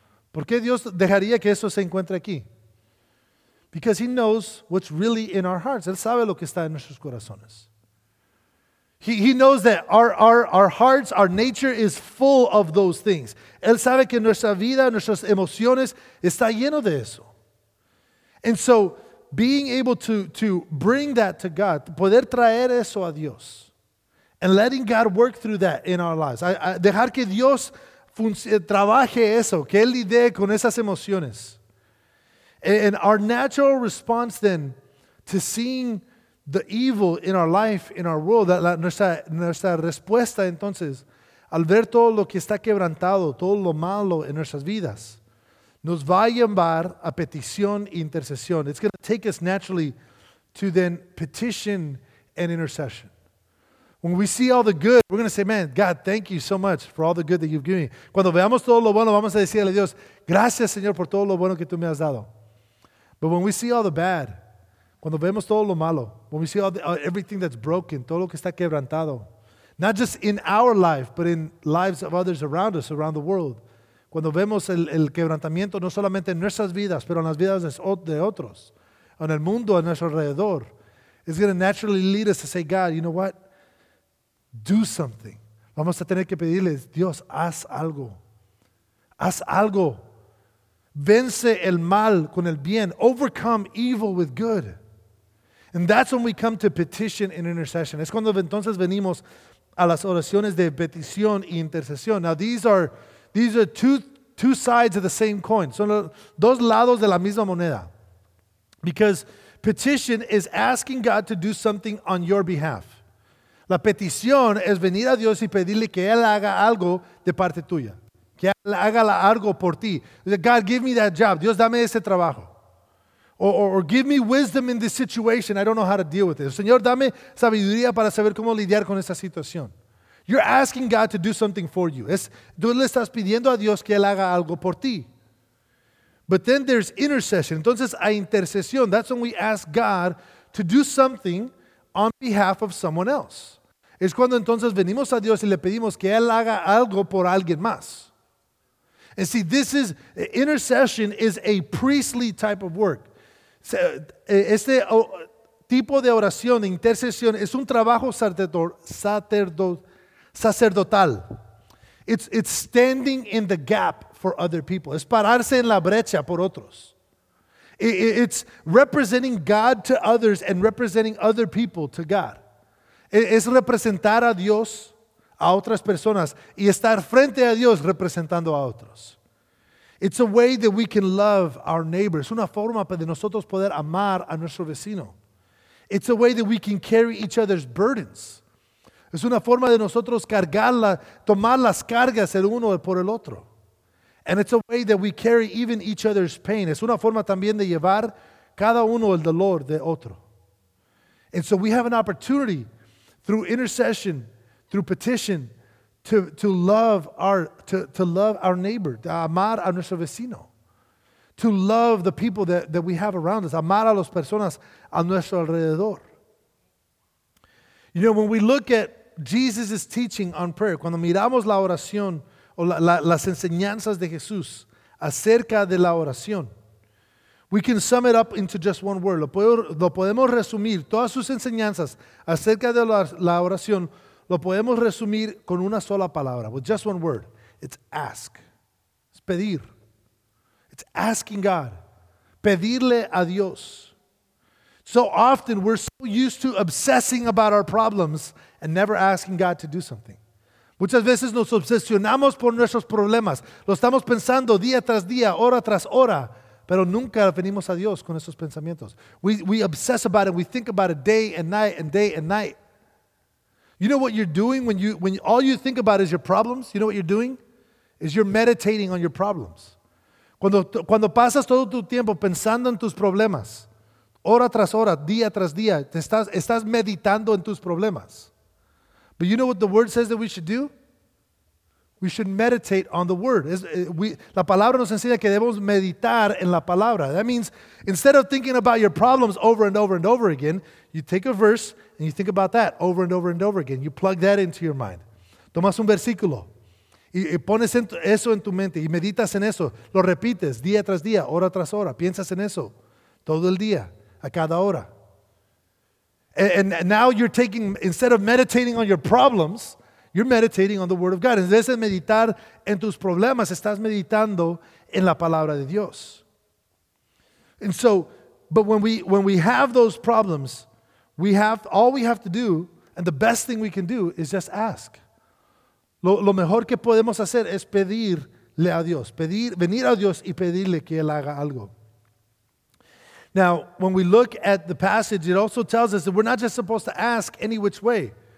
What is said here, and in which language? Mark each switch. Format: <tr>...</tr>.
<es>¿Por qué Dios dejaría que eso se encuentre aquí?</es> <en>Because he knows what's really in our hearts.</en> <es>Él sabe lo que está en nuestros corazones.</es> <en>He knows that our hearts, our nature is full of those things.</en> <es>Él sabe que nuestra vida, nuestras emociones, está lleno de eso.</es> <en>And so, being able to bring that to God,</en> <es>poder traer eso a Dios,</es> <en>and letting God work through that in our lives.</en> <es>Dejar que Dios trabaje eso, que Él lidie con esas emociones.</es> <en>And our natural response then to seeing the evil in our life, in our world,</en> <es>nuestra respuesta entonces, al ver todo lo que está quebrantado, todo lo malo en nuestras vidas, nos va a llevar a petición e intercesión.</es> <en>It's going to take us naturally to then petition and intercession. When we see all the good, we're going to say, man, God, thank you so much for all the good that you've given me.</en> <es>Cuando veamos todo lo bueno, vamos a decirle a Dios, gracias, Señor, por todo lo bueno que tú me has dado.</es> <en>But when we see all the bad,</en> <es>cuando vemos todo lo malo,</es> <en>when we see everything that's broken,</en> <es>todo lo que está quebrantado,</es> <en>not just in our life, but in lives of others around us, around the world.</en> <es>Cuando vemos el quebrantamiento, no solamente en nuestras vidas, pero en las vidas de otros, en el mundo, a nuestro alrededor,</es> <en>it's going to naturally lead us to say, God, you know what? Do something.</en> <es>Vamos a tener que pedirles, Dios, haz algo. Haz algo. Vence el mal con el bien.</es> <en>Overcome evil with good. And that's when we come to petition and intercession.</en> <es>Es cuando entonces venimos a las oraciones de petición e intercesión.</es> <en>Now these are two sides of the same coin.</en> <es>Son dos lados de la misma moneda.</es> <en>Because petition is asking God to do something on your behalf.</en> <es>La petición es venir a Dios y pedirle que Él haga algo de parte tuya. Que Él haga algo por ti.</es> <en>God, give me that job.</en> <es>Dios, dame ese trabajo.</es> <en>Or give me wisdom in this situation. I don't know how to deal with it.</en> <es>Señor, dame sabiduría para saber cómo lidiar con esta situación.</es> <en>You're asking God to do something for you.</en> <es>Tú le estás pidiendo a Dios que Él haga algo por ti.</es> <en>But then there's intercession.</en> <es>Entonces hay intercesión.</es> <en>That's when we ask God to do something on behalf of someone else.</en> <es>Es cuando entonces venimos a Dios y le pedimos que Él haga algo por alguien más.</es> <en>And see, this is, intercession is a priestly type of work.</en> <es>Este tipo de oración, de intercesión, es un trabajo sacerdotal.</es> <en>It's standing in the gap for other people.</en> <es>Es pararse en la brecha por otros.</es> <en>It's representing God to others and representing other people to God.</en> <es>Es representar a Dios a otras personas y estar frente a Dios representando a otros.</es> <en>It's a way that we can love our neighbor.</en> <es>Es una forma de nosotros poder amar a nuestro vecino.</es> <en>It's a way that we can carry each other's burdens.</en> <es>Es una forma de nosotros tomar las cargas el uno por el otro.</es> <en>And it's a way that we carry even each other's pain.</en> <es>Es una forma también de llevar cada uno el dolor de otro.</es> <en>And so we have an opportunity through intercession, through petition, to love our neighbor, to</en> <es>amar a nuestro vecino,</es> <en>to love the people that we have around us,</en> <es>amar a las personas a nuestro alrededor.</es> <en>You know, when we look at Jesus' teaching on prayer,</en> <es>cuando miramos la oración o las enseñanzas de Jesús acerca de la oración,</es> <en>we can sum it up into just one word.</en> <es>Lo podemos resumir, todas sus enseñanzas acerca de la oración, lo podemos resumir con una sola palabra,</es> <en>with just one word. It's ask.</en> <es>Es pedir.</es> <en>It's asking God.</en> <es>Pedirle a Dios.</es> <en>So often we're so used to obsessing about our problems and never asking God to do something.</en> <es>Muchas veces nos obsesionamos por nuestros problemas. Lo estamos pensando día tras día, hora tras hora, pero nunca venimos a Dios con esos pensamientos.</es> <en>We obsess about it. We think about it day and night and day and night. You know what you're doing when all you think about is your problems? You know what you're doing? Is you're meditating on your problems.</en> <es>Cuando pasas todo tu tiempo pensando en tus problemas, hora tras hora, día tras día, estás meditando en tus problemas.</es> <en>But you know what the word says that we should do? We should meditate on the word.</en> <es>La palabra nos enseña que debemos meditar en la palabra.</es> <en>That means instead of thinking about your problems over and over and over again, you take a verse and you think about that over and over and over again. You plug that into your mind.</en> <es>Tomas un versículo y pones eso en tu mente y meditas en eso. Lo repites día tras día, hora tras hora. Piensas en eso todo el día, a cada hora.</es> <en>And now you're taking, instead of meditating on your problems, you're meditating on the word of God.</en> <es>En vez de meditar en tus problemas, estás meditando en la palabra de Dios.</es> <en>And so, But when we have those problems, all we have to do, and the best thing we can do is just ask.</en> <es>Lo mejor que podemos hacer es pedirle a Dios, venir a Dios y pedirle que Él haga algo.</es> <en>Now, when we look at the passage, it also tells us that we're not just supposed to ask any which way.</en>